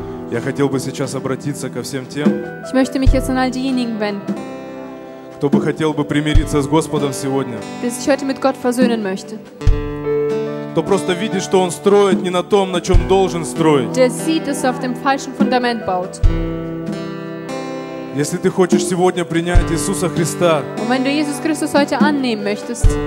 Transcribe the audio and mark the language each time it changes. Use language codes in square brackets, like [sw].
[ru] Я хотел бы сейчас обратиться ко всем тем, [de] Ich möchte mich jetzt an all diejenigen wenden, [ru] кто бы хотел бы примириться с Господом сегодня, [de] der sich heute mit Gott versöhnen möchte, [ru] кто просто видит, что он строит не на том, на чем должен строить, [de] der sieht, dass er auf dem falschen Fundament baut. [ru] Если ты хочешь сегодня принять Иисуса Христа, [de] Und wenn du Jesus Christus heute annehmen möchtest,